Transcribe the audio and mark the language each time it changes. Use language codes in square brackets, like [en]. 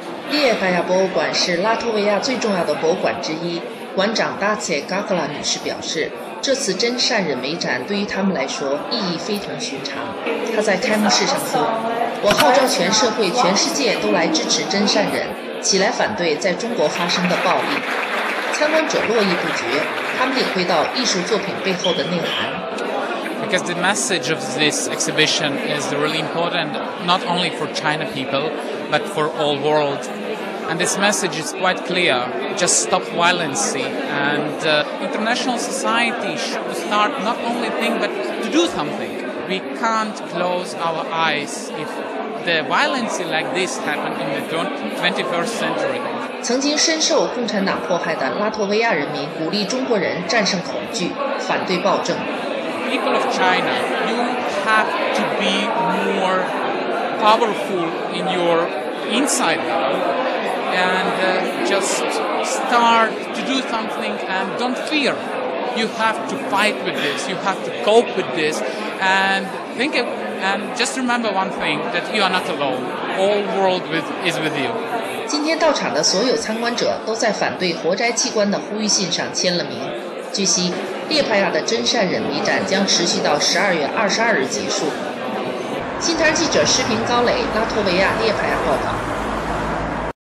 [zh] 列帕亚博物馆是拉脱维亚最重要的博物馆之一，馆长达切·嘎克拉女士表示，这次真善人美展对于他们来说意义非同寻常。她在开幕式上说，我号召全社会、全世界都来支持真善人，起来反对在中国发生的暴力。参观者络绎不绝，他们领会到艺术作品背后的内涵。 [en] Because the message of this exhibition is really important, not only for China people, but for all world. And this message is quite clear: just stop violence. And international society should start not only think, but to do something. We can't close our eyes if the violence like this happened in the 21st century. [zh] 曾经深受共产党迫害的拉脱维亚人民鼓励中国人战胜恐惧，反对暴政。 [en] People of China, you have to be more powerful in your inside now and just start to do something and don't fear. You have to fight with this, you have to cope with this and think of, and just remember one thing, that you are not alone. All world is with you. [zh] 今天到场的所有参观者都在反对活摘器官的呼吁信上签了名。据悉，列帕亚的真善人美展将持续到12月22日结束。新唐记者视频高磊，拉脱维亚列帕亚报道。